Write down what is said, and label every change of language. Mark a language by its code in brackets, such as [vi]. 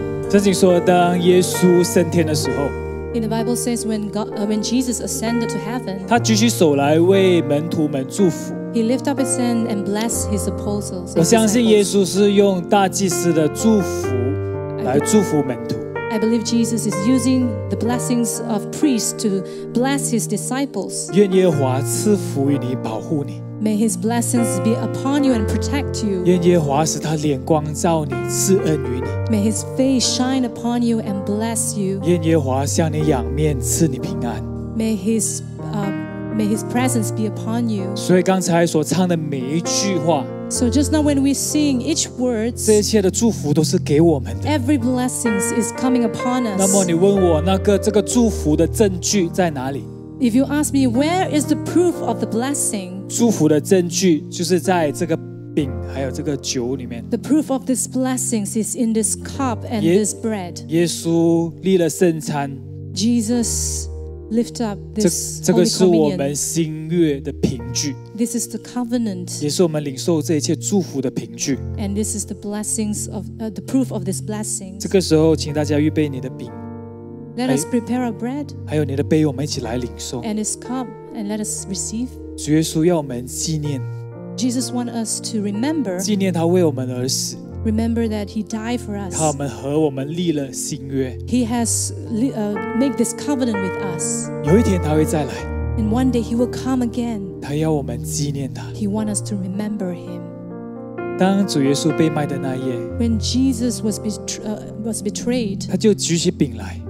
[zh] 圣经说，当耶稣升天的时候。 [en] In the Bible says when God, when Jesus ascended to heaven, [zh] 他举起手来为门徒们祝福。 [en] He lift up his hand and bless his apostles. [zh] 我相信耶稣是用大祭司的祝福来祝福门徒。 [en] I believe Jesus is using the blessings of priests to bless his disciples. [zh] 愿耶和华赐福于你，保护你。 [en] May his blessings be upon you and protect you. [zh] 愿耶和华使他脸光照你，赐恩于你。 [en] May his face shine upon you and bless you. [zh] 愿耶和华向你仰面，赐你平安。 [en] May his presence be upon you. [zh] 所以刚才所唱的每一句话。 [en] So just now when we sing each word, [zh] 这一切的祝福都是给我们的。 [en] Every blessings is coming upon us. [zh] 那么你问我那个这个祝福的证据在哪里？ [en] If you ask me where is the proof of the blessing, [zh] 祝福的证据就是在这个饼还有这个酒里面。 [en] The proof of this blessings is in this cup and this bread. [zh] 耶稣立了圣餐。 [en] Jesus lift up this holy communion. [zh] 这个是我们新约的凭据。 [en] This is the covenant. [zh] 也是我们领受这一切祝福的凭据。 [en] And this is the blessings of the proof of this blessing. [zh] 这个时候，请大家预备你的饼。 [en] Let us prepare our bread. [zh] 还有你的杯，我们一起来领受。 [en] And this cup, and let us receive. [zh] 主耶稣要我们纪念。 [en] Jesus wants us to remember. [zh] 纪念他为我们而死。 [en] Remember that he died for us. [zh] 他我们和我们立了新约。 [en] He has made this covenant with us. [zh] 有一天他会再来。 [en] And one day he will come again. [zh] 他要我们纪念他。 [en] He wants us to remember him. [zh] 当主耶稣被卖的那夜。 [en] When Jesus was betrayed. [zh] 他就举起饼来。